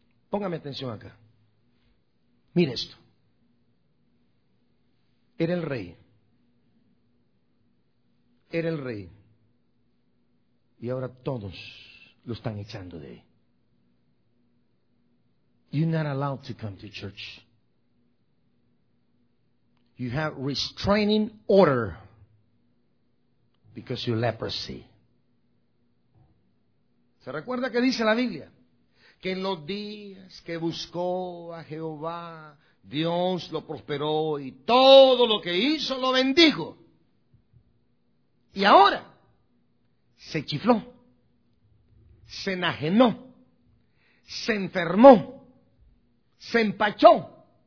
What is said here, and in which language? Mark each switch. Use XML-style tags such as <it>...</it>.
<es>Póngame atención acá. Mire esto. Era el rey. Era el rey. Y ahora todos lo están echando de ahí.</es> <en>You're not allowed to come to church. You have restraining order. Because you're leprosy.</en> <es>¿Se recuerda que dice la Biblia? Que en los días que buscó a Jehová, Dios lo prosperó y todo lo que hizo lo bendijo. Y ahora se chifló, se enajenó, se enfermó, se empachó.</es>